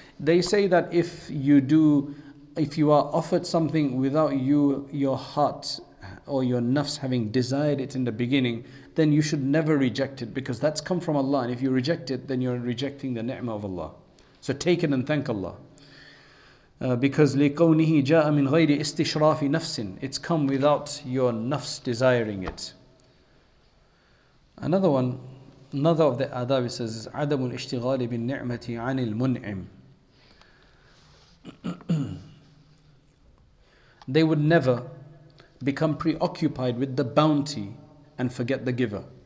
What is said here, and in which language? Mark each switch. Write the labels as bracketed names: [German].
[English] They say that if you are offered something without you, your heart or your nafs having desired it in the beginning, then you should never reject it, because that's come from Allah. And if you reject it, then you're rejecting the ni'mah of Allah. So take it and thank Allah. Because [Arabic] لِقَوْنِهِ جَاءَ مِنْ غَيْرِ إِسْتِشْرَافِ نَفْسٍ. [English] It's come without your nafs desiring it. Another of the adab, it says, [Arabic] عَدَمُ الْإِشْتِغَالِ بِالنِّعْمَةِ عَنِ الْمُنْعِمِ. [English] They would never become preoccupied with the bounty and forget the giver.